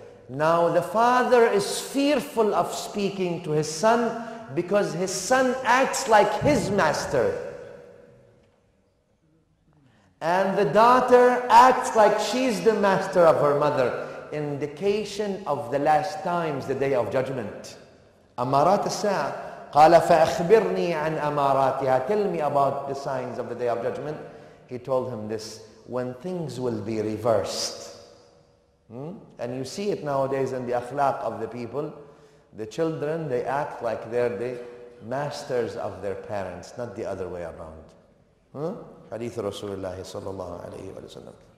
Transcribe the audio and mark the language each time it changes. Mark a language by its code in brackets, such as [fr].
[en] Now the father is fearful of speaking to his son because his son acts like his master. And the daughter acts like she's the master of her mother. Indication of the last times, the day of judgment. [ar] أمارات الساعة. قال فأخبرني عن أماراتها. [en] Tell me about the signs of the day of judgment. He told him this. When things will be reversed. And you see it nowadays in the akhlaq of the people. The children, they act like they're the masters of their parents. Not the other way around. Hadith Rasulullah sallallahu alayhi wa sallam.